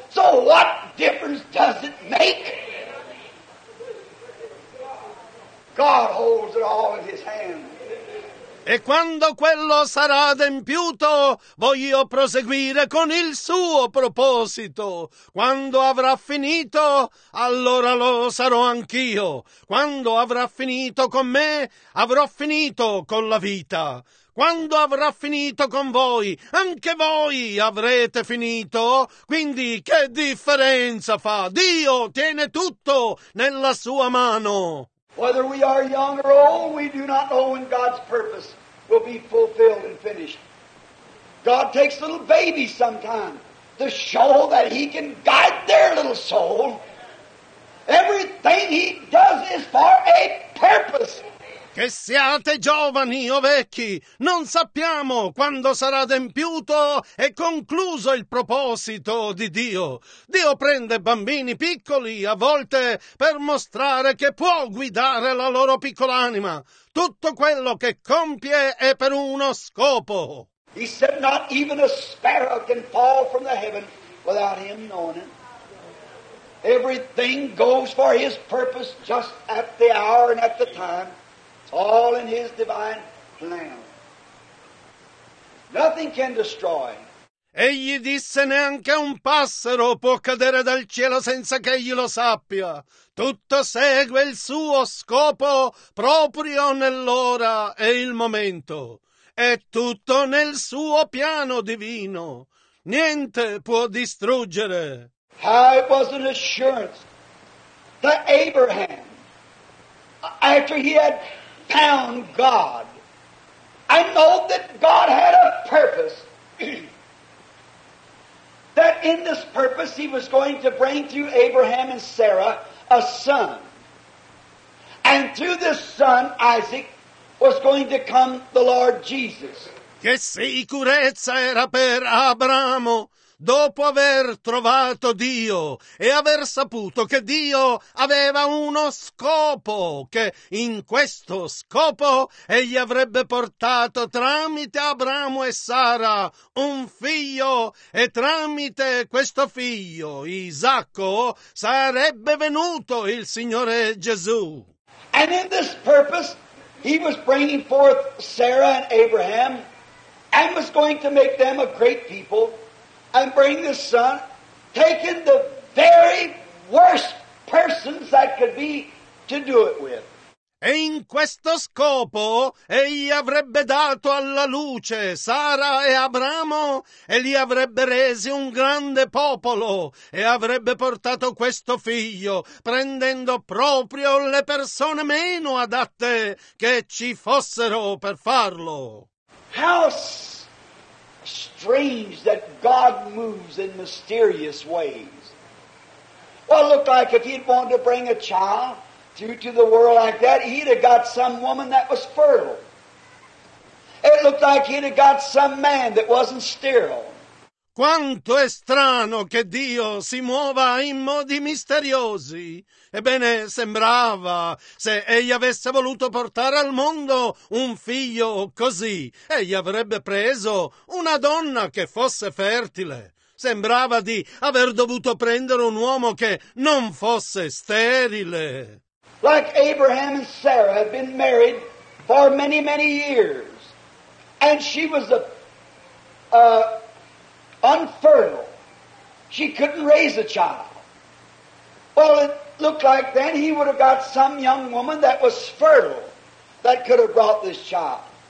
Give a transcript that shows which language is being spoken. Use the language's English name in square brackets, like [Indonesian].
[English] So what difference does it make? God holds it all in His hand. [Italian] E quando quello sarà adempiuto, voglio proseguire con il suo proposito. Quando avrà finito, allora lo sarò anch'io. Quando avrà finito con me, avrò finito con la vita. Quando avrà finito con voi, anche voi avrete finito. Quindi che differenza fa? Dio tiene tutto nella sua mano. [English] Whether we are young or old, we do not know when God's purpose will be fulfilled and finished. God takes little babies sometimes to show that He can guide their little soul. Everything He does is for a purpose. [Italian] Che siate giovani o vecchi, non sappiamo quando sarà adempiuto e concluso il proposito di Dio. Dio prende bambini piccoli a volte per mostrare che può guidare la loro piccola anima. Tutto quello che compie è per uno scopo. [English] He said not even a sparrow can fall from the heaven without Him knowing it. Everything goes for His purpose just at the hour and at the time. It's all in His divine plan. Nothing can destroy. [Italian] Egli disse, neanche un passero può cadere dal cielo senza che egli lo sappia. Tutto segue il suo scopo proprio nell'ora e il momento. È tutto nel suo piano divino. Niente può distruggere. [English] How it was an assurance that Abraham, after he had found God, I know that God had a purpose, that in this purpose He was going to bring through Abraham and Sarah a son, and through this son, Isaac, was going to come the Lord Jesus. [Italian] Che sicurezza era per Abramo! Dopo aver trovato Dio e aver saputo che Dio aveva uno scopo, che in questo scopo egli avrebbe portato tramite Abramo e Sara un figlio e tramite questo figlio, Isacco, sarebbe venuto il Signore Gesù. [English] And in this purpose He was bringing forth Sarah and Abraham and was going to make them a great people. And bring the son, taking the very worst persons that could be to do it with. [Italian] E in questo scopo egli avrebbe dato alla luce Sara e Abramo e li avrebbe resi un grande popolo e avrebbe portato questo figlio, prendendo proprio le persone meno adatte che ci fossero per farlo. [English] Strange that God moves in mysterious ways. Well, it looked like if He'd wanted to bring a child through to the world like that, He'd have got some woman that was fertile. It looked like He'd have got some man that wasn't sterile. [Italian] Quanto è strano che Dio si muova in modi misteriosi. Ebbene, sembrava se egli avesse voluto portare al mondo un figlio così, egli avrebbe preso una donna che fosse fertile. Sembrava di aver dovuto prendere un uomo che non fosse sterile. [English] Like Abraham and Sarah had been married for many, many years, and she was unfertile. She couldn't raise a child. Well, it looked like then he would have got some young woman that was fertile that could have brought this child.